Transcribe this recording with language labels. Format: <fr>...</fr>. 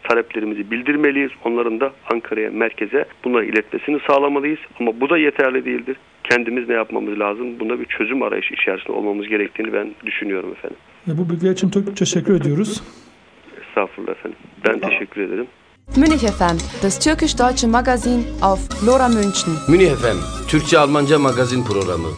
<tr>Taleplerimizi bildirmeliyiz. Onların da Ankara'ya, merkeze bunları iletmesini sağlamalıyız. Ama bu da yeterli değildir. Kendimiz ne yapmamız lazım? Bunda bir çözüm arayışı içerisinde olmamız gerektiğini ben düşünüyorum efendim. Bu bilgiler için çok teşekkür ediyoruz. Estağfurullah efendim. Ben teşekkür ederim.</tr> <de>Münih FM, das türkisch-deutsche Magazin auf Lora München.</de> <tr>Münih FM, Türkçe-Almanca magazin programı.</tr>